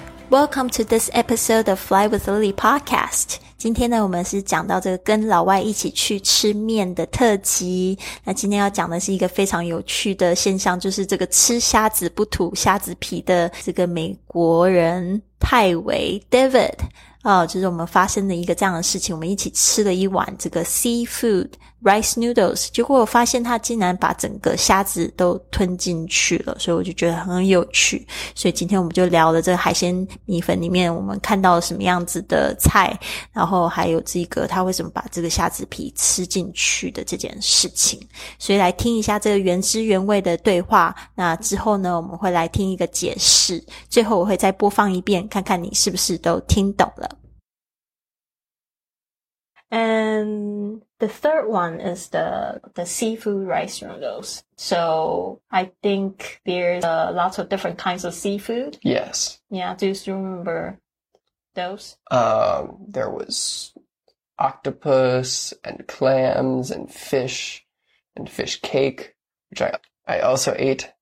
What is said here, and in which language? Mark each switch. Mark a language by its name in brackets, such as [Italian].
[English] Welcome to this episode of Fly with Lily podcast. [Chinese] 今天呢，我们是讲到这个跟老外一起去吃面的特辑。那今天要讲的是一个非常有趣的现象，就是这个吃虾子不吐虾子皮的这个美国人泰维 David。就是我们发生的一个这样的事情，我们一起吃了一碗这个 [English] seafood rice noodles， [Chinese] 结果我发现他竟然把整个虾子都吞进去了，所以我就觉得很有趣，所以今天我们就聊了这个海鲜米粉里面我们看到了什么样子的菜，然后还有这个他为什么把这个虾子皮吃进去的这件事情。所以来听一下这个原汁原味的对话，那之后呢我们会来听一个解释，最后我会再播放一遍，看看你是不是都听懂了。 [English] And the third one is the seafood rice noodles. So I think there's lots of different kinds of seafood. Yes. Yeah, do you remember those? There was octopus and clams and fish cake, which I also ate.